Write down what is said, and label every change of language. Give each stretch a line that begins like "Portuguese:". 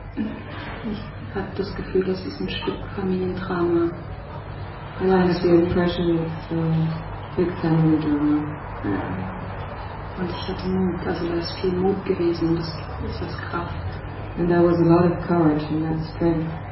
German: Ich habe das Gefühl, das ist ein Stück Familiendrama.
English: And I have the impression of big family drama. Yeah.
German: Und ich hatte Mut, also da ist viel Mut gewesen, das ist das Kraft.
English: And there was a lot of courage and that strength.